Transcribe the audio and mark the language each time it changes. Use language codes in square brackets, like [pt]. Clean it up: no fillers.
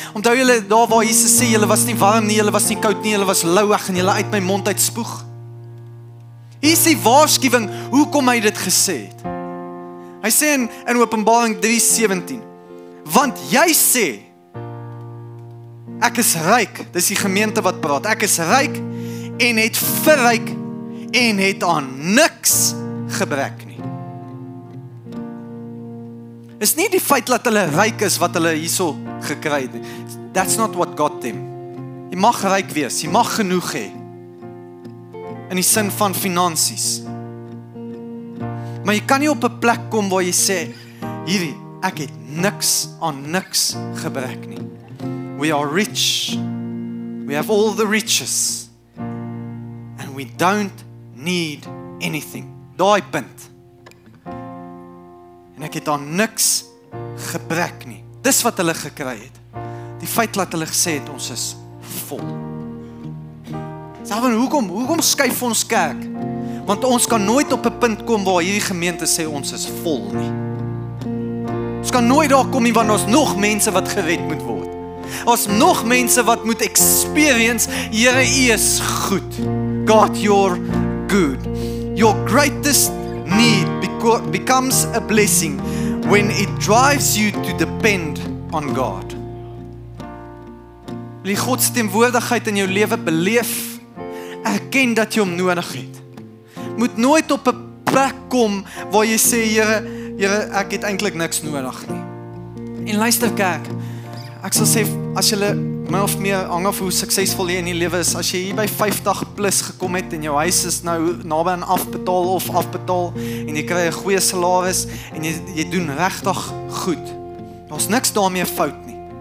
[af] Onthou julle daar waar Jesus sê, julle was nie warm nie, julle was nie koud nie, julle was louweg en julle uit my mond uit spoeg. Hier is die waarskuwing, hoekom hy dit gesê het. Hy sê in Openbaring 3:17, want jy sê, ek is ryk, dis die gemeente wat praat, ek is ryk en het verryk en het aan niks gebrek nie. Is nie die feit dat hulle ryk is wat hulle hierso gekry het nie. [en] That's not what got them. [af] Jy mag ryk wees, jy mag genoeg hê. In die sin van finansies. Maar jy kan nie op 'n plek kom waar jy sê, hierdie, ek het niks aan niks gebrek nie. [en] We are rich. We have all the riches. And we don't need anything. [af] Daai punt. En ek het aan niks gebrek nie. Dis wat hulle gekry het. Die feit dat hulle gesê het, ons is vol. Sabon, hoekom skuif ons kerk? Want ons kan nooit op 'n punt kom waar hierdie gemeente sê ons is vol nie. Ons kan nooit daar kom nie, want ons nog mense wat gered moet word. Ons nog mense wat moet experience, Here, U is goed. [en] God, You're good. Your greatest need becomes a blessing when it drives you to depend on God. [af] Wil jy God se teenwoordigheid in jou lewe beleef? Erken dat jy hom nodig het. Moet nooit op 'n plek kom waar jy sê, Here, ek het eintlik niks nodig nie. En luister kerk, ek sal sê, as jy my of meer hang af hoe suksesvol jy in die lewe is, as jy hier by 50 plus gekom het en jou huis is nou naby aan afbetaal of afbetaal en jy kry 'n goeie salaris en jy doen regtig goed, daar's niks daarmee fout nie.